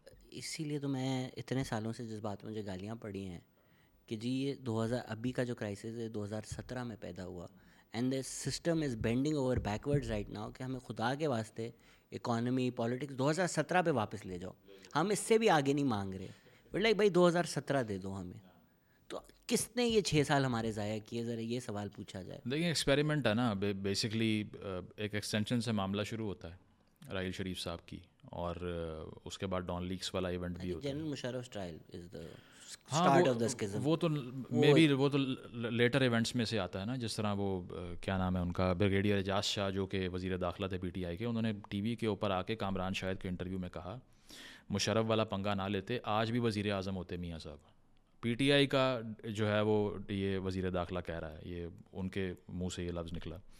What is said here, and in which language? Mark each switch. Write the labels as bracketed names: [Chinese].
[Urdu] اسی لیے تو میں اتنے سالوں سے جس بات میں مجھے گالیاں پڑی ہیں کہ جی یہ 2000 ابھی کا جو کرائسس ہے 2017 میں پیدا ہوا, [English] and this system is bending over backwards right now, [Urdu] کہ ہمیں خدا کے واسطے اکانومی پالیٹکس 2017 پہ واپس لے جاؤ, ہم اس سے بھی آگے نہیں مانگ رہے, بٹ لائک بھائی 2017 دے دو ہمیں. تو کس نے یہ 6 سال ہمارے ضائع کیے, ذرا یہ سوال پوچھا جائے. دیکھیں ایکسپیریمنٹ ہے نا بیسکلی, ایک ایکسٹینشن سے معاملہ شروع ہوتا ہے رائل شریف صاحب کی, اور اس کے بعد ڈان لیکس والا ایونٹ بھی ہوتا ہے, [English] General Musharraf trial is the start of the schism. [Urdu] وہ تو مے بی وہ تو لیٹر ایونٹس میں سے آتا ہے نا, جس طرح وہ کیا نام ہے ان کا, بریگیڈیئر اعجاز شاہ جو کہ وزیر داخلہ تھے پی ٹی آئی کے, انہوں نے ٹی وی کے اوپر آ کے کامران شاہد کے انٹرویو میں کہا مشرف والا پنگا نہ لیتے آج بھی وزیر اعظم ہوتے میاں صاحب. پی ٹی آئی کا جو ہے وہ یہ وزیر داخلہ کہہ رہا ہے, یہ ان کے منہ سے یہ لفظ نکلا.